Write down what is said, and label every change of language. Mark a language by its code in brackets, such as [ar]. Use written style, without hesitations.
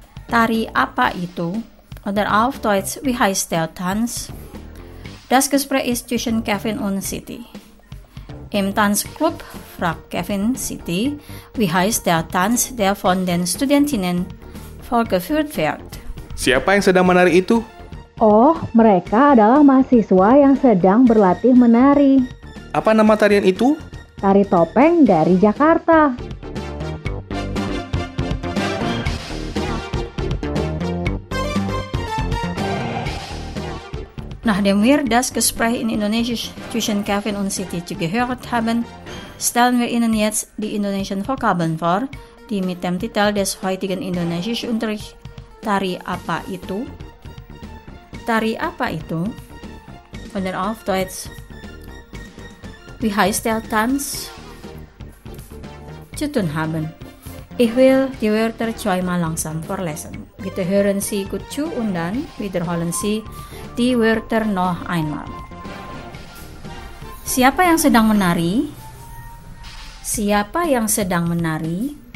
[id] Tari apa itu? [de] Oder auf Deutsch, wie heißt der Tanz? Das Gespräch ist zwischen Kevin und Siti. im Tanzclub Frag Kevin City, wie heißt der Tanz, der von den Studentinnen vorgeführt wird? [id] Siapa yang sedang menari itu? Oh, mereka adalah mahasiswa yang sedang berlatih menari. Apa nama tarian itu? Tari topeng dari Jakarta. [de] Nachdem wir das Gespräch in Indonesisch zwischen Kevin und Siti gehört haben, stellen wir Ihnen jetzt die indonesischen Vokabeln vor, die mit dem Titel des heutigen Indonesischunterrichts [id] Tari apa itu? Tari apa itu? [de] Von der auf Deutsch. Wie heißt der Tanz? Zu tun haben. Ich will die Wörter zweimal langsam vorlesen. Bitte hören Sie gut zu und dann wiederholen Sie die Wörter noch einmal. [id] Siapa yang sedang menari? Siapa yang sedang menari?